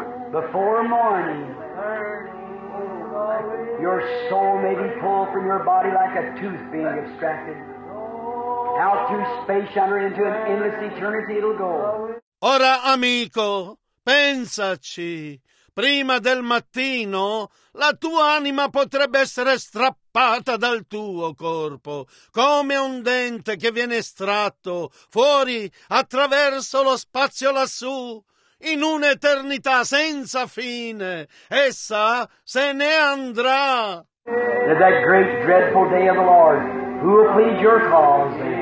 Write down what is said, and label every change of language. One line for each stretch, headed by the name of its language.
English: Before morning, your soul may be pulled from your body like a tooth being extracted. Out through space yonder into an endless eternity it'll go.
Italian: Ora, amico, pensaci. Prima del mattino, la tua anima potrebbe essere strappata dal tuo corpo, come un dente che viene estratto fuori, attraverso lo spazio lassù. In un'eternità senza fine, essa se ne andrà.
English: In that great dreadful day of the Lord, who will plead your cause?